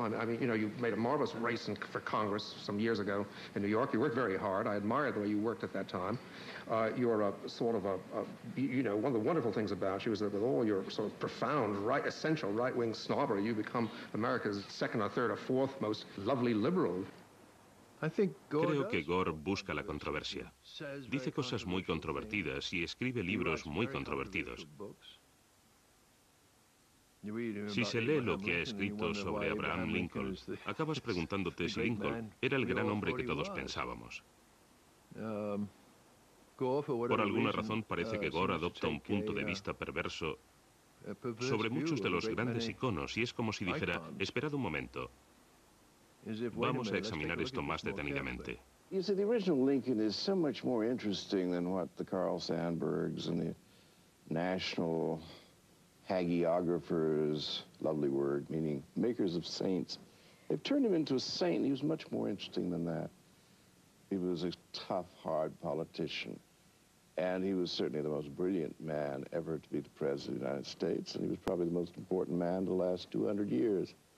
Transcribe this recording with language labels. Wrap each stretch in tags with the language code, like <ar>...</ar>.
<en>I mean, you know, you made a marvelous race for Congress some years ago in New York. You worked very hard. I admired the way you worked at that time. You're one of the wonderful things about you is that with all your sort of profound, essential right-wing snobbery, you become America's second or third or fourth most lovely liberal.</en> <es>Creo que Gore busca la controversia. Dice cosas muy controvertidas y escribe libros muy controvertidos. Si se lee lo que ha escrito sobre Abraham Lincoln, acabas preguntándote si Lincoln era el gran hombre que todos pensábamos. Por alguna razón parece que Gore adopta un punto de vista perverso sobre muchos de los grandes iconos y es como si dijera, esperad un momento, vamos a examinar esto más detenidamente.</es> <en>You see, the original Lincoln is so much more interesting than what the Carl Sandburgs and the national hagiographers, lovely word, meaning makers of saints, they've turned him into a saint. He was much more interesting than that. He was a tough, hard politician, and he was certainly the most brilliant man ever to be the president of the United States, and he was probably the most important man the last 200 years.</en>